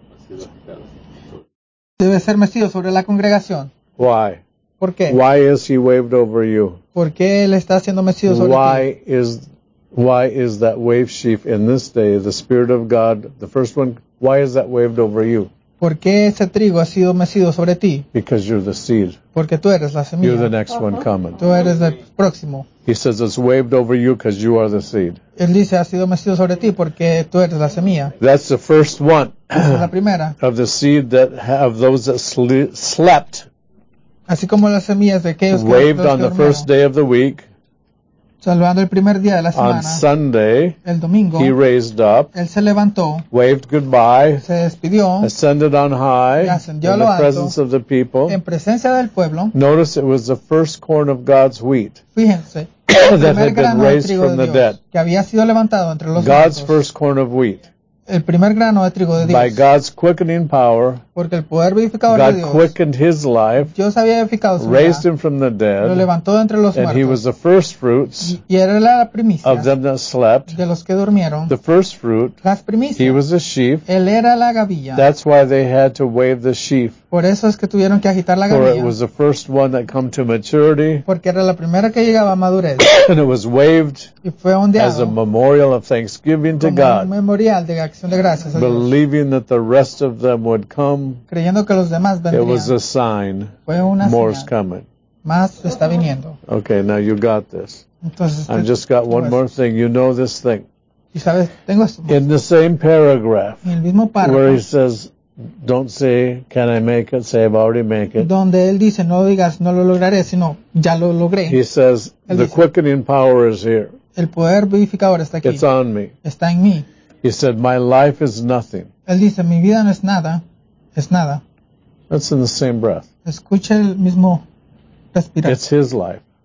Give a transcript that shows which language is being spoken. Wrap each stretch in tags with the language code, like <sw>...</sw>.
<es>Debe ser mecido sobre la congregación.</es> <en>Why?</en> <es>¿Por qué?</es> <en>Why is he waved over you?</en> <es>¿Por qué él está siendo mecido sobre</es> <en>why</en> <es>ti?</es> <en>Why is that wave sheaf in this day, the Spirit of God, the first one, why is that waved over you?</en> <es>¿Por qué ese trigo ha sido mecido sobre ti?</es> <en>Because you're the seed.</en> <es>Porque tú eres la semilla.</es> <en>You're the next one coming.</en> <es>Tú eres el próximo.</es> <en>He says it's waved over you because you are the seed.</en> <es>Él dice ha sido mecido sobre ti porque tú eres la semilla.</es> <en>That's the first one.</en> <es>Esa es la primera.</es> <en>Of the seed that have those that slept.</en> <es>Así como las semillas de aquellos que</es> <en>waved on the first day of the week.</en> <es>Salvando el primer día de la semana.</es> <en>On Sunday,</en> <es>el domingo,</es> <en>he raised up.</en> <es>Él se levantó.</es> <en>Waved goodbye.</en> <es>Se despidió.</es> <en>Ascended on high.</en> <es>Ascendió a lo alto.</es> <en>In the presence of the people.</en> <es>En presencia del pueblo.</es> <en>Notice it was the first corn of God's wheat.</en> <es>Fíjense.</es> <en>That had been raised from the dead.</en> <es>Que había sido levantado entre los</es> <en>God's</en> <es>muertos.</es> <en>First corn of wheat.</en> <es>El primer grano de trigo de Dios.</es> <en>By God's quickening power.</en> <es>Porque el poder vivificador</es> <en>God</en> <es>de Dios.</es> <en>God quickened his life.</en> <es>Dios había vivificado su vida.</es> <en>Raised him from the dead.</en> <es>Lo levantó de entre los muertos.</es> <en>And he was the first fruits.</en> <es>Y era la primicia.</es> <en>Of them that slept.</en> <es>De los que durmieron.</es> <en>The first fruit.</en> <es>Las primicias.</es> <en>He was the sheaf.</en> <es>Él era la gavilla.</es> <en>That's why they had to wave the sheaf.</en> <es>Por eso es que tuvieron que agitar la gavilla.</es> <en>For it was the first one that come to maturity.</en> <es>Porque era la primera que llegaba a madurez.</es> <en>And it was waved.</en> <es>Y fue ondeado.</es> <en>As a memorial of thanksgiving to God.</en> <es>Como un memorial de acción de gracias a Dios.</es> <en>Believing that the rest of them would come.</en> <es>Creyendo que los demás vendrían.</es> <en>It was a sign.</en> <es>Fue una</es> <en>more</en> <es>señal.</es> <en>Is coming.</en> <es>Más está viniendo.</es> <en>Okay, now you got this.</en> <es>Entonces,</es> <en>I just got one more thing. You know this thing.</en> <es>Y sabes, tengo esto.</es> <en>In the same paragraph.</en> <es>En el mismo párrafo.</es> <en>Where he says, don't say, can I make it? Say, I've already made it.</en> <es>Donde él dice, no digas, no lo lograré, sino, ya lo logré.</es> <en>He says, él the dice, quickening power is here.</en> <es>El poder vivificador está aquí.</es> <en>It's on me.</en> <es>Está en mí.</es> <en>He said, my life is nothing.</en> <es>Él dice, mi vida no es nada. Es nada.</es> <en>That's in the same breath.</en> <es>Escucha el mismo respirar.</es> <en>It's his life.</en>